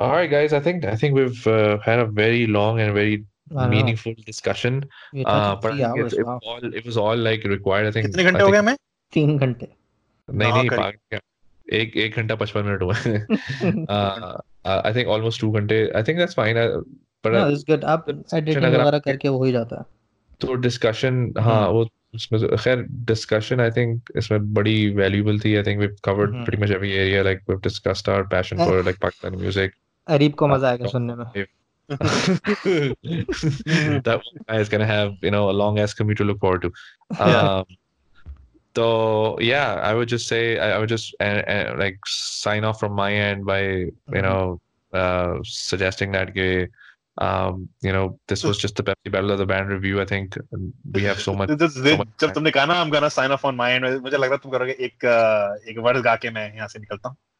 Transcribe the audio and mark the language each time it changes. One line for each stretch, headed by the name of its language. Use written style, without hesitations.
English: Guys, I think we've had a very long and very meaningful discussion. But it was all like required. I think.
Hindi: कितने घंटे हो गए हमें? 3 घंटे. नहीं पागल क्या? एक घंटा 55 मिनट हुए.
English: I think almost 2 घंटे. I think that's fine. But no, it's good.
Hindi: आप editing वगैरह करके वो ही जाता है. तो discussion हाँ वो इसमें खैर discussion
English: I think
Hindi: इसमें बड़ी valuable थी.
English: I think we've covered pretty much every area. Like we've discussed our passion for like Pakistani music.
Hindi: Areeb को मजा आएगा सुनने में.
English: That guy is gonna have you know a long ass commute to look forward to. So yeah, I would just say I would just like sign off from my end by you know suggesting that ke, you know this was just the Pepsi Battle of the Band review. I think we have so much.
Hindi: जब तुमने कहा ना
English: I'm gonna sign off on my end,
Hindi: मुझे लग रहा तुम करोगे एक वर्ड गा के मैं यहाँ से निकलता हूँ.